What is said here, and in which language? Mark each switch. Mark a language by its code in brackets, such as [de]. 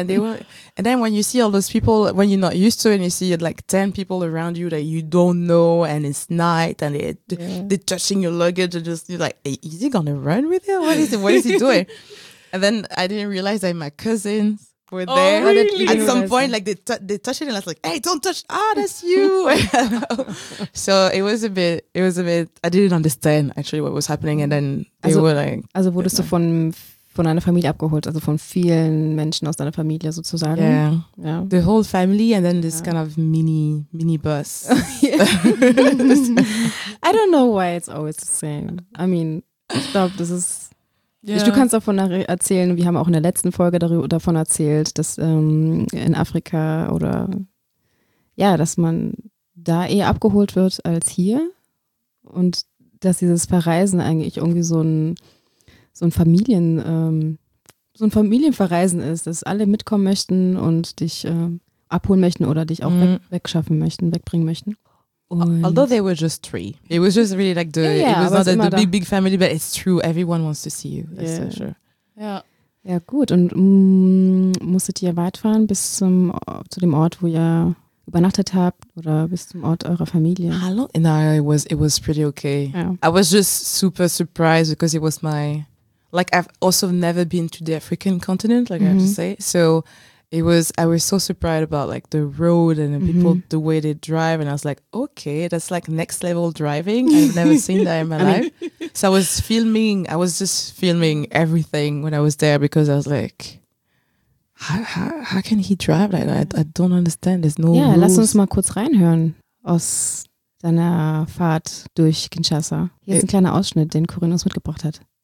[en] And they were, and then when you see all those people, when you're not used to it, and you see it, like 10 people around you that you don't know and it's night and they're touching your luggage and just you're like, hey, is he going to run with you? What is he doing? And then I didn't realize that my cousins were there. Oh, really? At some point, like they touched it and I was like, hey, don't touch. Ah, oh, that's you. So it was a bit, I didn't understand actually what was happening. And then they were like. [de] Also wurdest du von deiner Familie abgeholt, also von vielen Menschen aus deiner Familie sozusagen. [en] Yeah. Yeah. The whole family and then this kind of mini bus. I don't know why it's always the same. I mean, [de] ich glaube, das ist. Yeah. Du kannst davon erzählen, wir haben auch in der letzten Folge davon erzählt, dass in Afrika oder ja, dass man da eher abgeholt wird als hier und dass dieses Verreisen eigentlich irgendwie so ein Familienverreisen ist, dass alle mitkommen möchten und dich abholen möchten oder dich auch wegschaffen möchten, wegbringen möchten. [en] Und although they were just three, it was just really like the it was not the big family, but it's true. Everyone wants to see you. That's yeah. So sure. Yeah. [de] Ja, gut. Und musstet ihr weit fahren bis zu dem Ort, wo ihr übernachtet habt, oder bis zum Ort eurer Familie? [en] Hallo. No, it was pretty okay. Yeah. I was just super surprised because it was my like I've also never been to the African continent, like mm-hmm. I have to say. So. I was so surprised about like the road and the people, mm-hmm. the way they drive. And I was like, okay, that's like next level driving. I've never seen that in my life. So I was just filming everything when I was there because I was like, how can he drive like that? I don't understand. There's no rules. Yeah, [de] lass uns mal kurz reinhören aus deiner Fahrt durch Kinshasa. Hier ist ein kleiner Ausschnitt, den Corinne uns mitgebracht hat.